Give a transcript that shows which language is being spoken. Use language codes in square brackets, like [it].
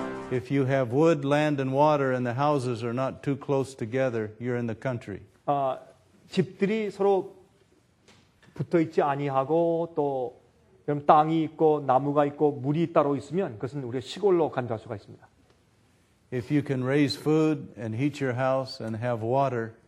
[en] If you have wood, land, and water, and the houses are not too close together, you're in the country. [ko] 집들이 서로 붙어 있지 아니하고 또 그럼 땅이 있고 나무가 있고 물이 따로 있으면 그것은 우리 시골로 간다 할 수가 있습니다. [en] If you can raise food and heat your house and have water,